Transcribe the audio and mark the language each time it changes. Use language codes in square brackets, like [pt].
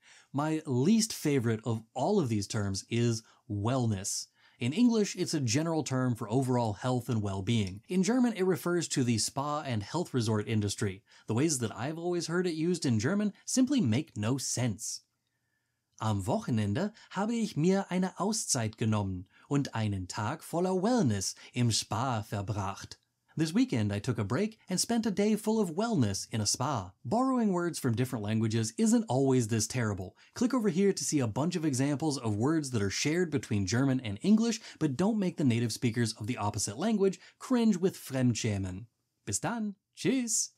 [en] My least favorite of all of these terms is wellness. In English, it's a general term for overall health and well-being. In German, it refers to the spa and health resort industry. The ways that I've always heard it used in German simply make no sense. [de] Am Wochenende habe ich mir eine Auszeit genommen und einen Tag voller Wellness im Spa verbracht. [en] This weekend, I took a break and spent a day full of wellness in a spa. Borrowing words from different languages isn't always this terrible. Click over here to see a bunch of examples of words that are shared between German and English, but don't make the native speakers of the opposite language cringe with Fremdschämen. [de] Bis dann. Tschüss.